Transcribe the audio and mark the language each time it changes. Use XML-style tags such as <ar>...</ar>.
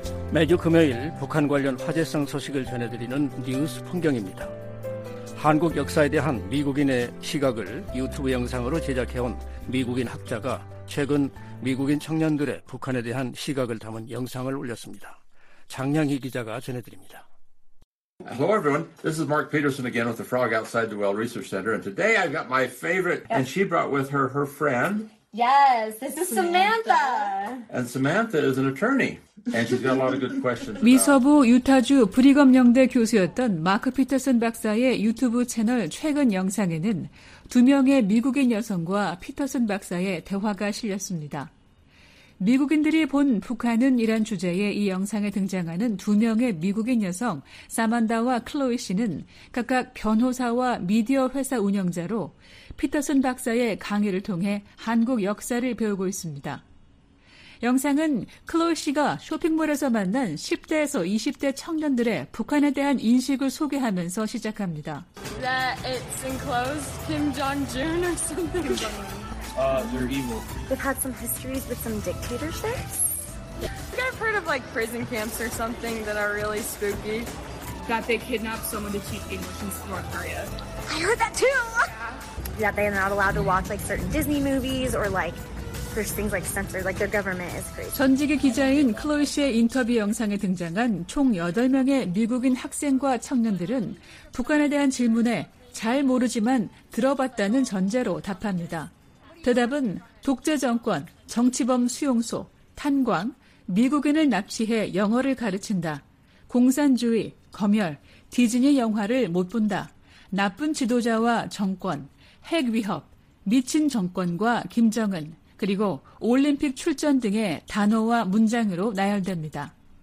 <ko>매주 금요일 북한 관련 화제성 소식을 전해드리는 뉴스 풍경입니다. 한국 역사에 대한 미국인의 시각을 유튜브 영상으로 제작해온 미국인 학자가 최근 미국인 청년들의 북한에 대한 시각을 담은 영상을 올렸습니다. 장량희 기자가 전해드립니다.</ko> <en>Hello everyone. This is Mark Peterson again with the Frog Outside the Well Research Center. And today I've got my favorite, and she brought with her her friend. Yes, this is Samantha. And Samantha is an attorney. And she's got a lot of good questions.</en> <ko>미서부 유타주 브리검 영대 교수였던 마크 피터슨 박사의 유튜브 채널 최근 영상에는 두 명의 미국인 여성과 피터슨 박사의 대화가 실렸습니다. 미국인들이 본 북한은 이란 주제의 이 영상에 등장하는 두 명의 미국인 여성 사만다와 클로이 씨는 각각 변호사와 미디어 회사 운영자로 피터슨 박사의 강의를 통해 한국 역사를 배우고 있습니다. 영상은 클로이 씨가 쇼핑몰에서 만난 10대에서 20대 청년들의 북한에 대한 인식을 소개하면서 시작합니다.</ko> <en>That it's enclosed Kim Jong-un or something. Kim Jong-un. They're evil. They've had some histories with some dictatorships. I think I've heard of like prison camps or something that are really spooky. That they kidnapped someone to teach English in North Korea. I heard that too! Yeah. That they're not allowed to watch like certain Disney movies or like</en> <ko>전직의 기자인 클로이 씨의 인터뷰 영상에 등장한 총 8명의 미국인 학생과 청년들은 북한에 대한 질문에 잘 모르지만 들어봤다는 전제로 답합니다. 대답은 독재 정권, 정치범 수용소, 탄광, 미국인을 납치해 영어를 가르친다, 공산주의, 검열, 디즈니 영화를 못 본다, 나쁜 지도자와 정권, 핵 위협, 미친 정권과 김정은, 그리고 올림픽 출전 등의 단어와 문장으로 나열됩니다.</ko>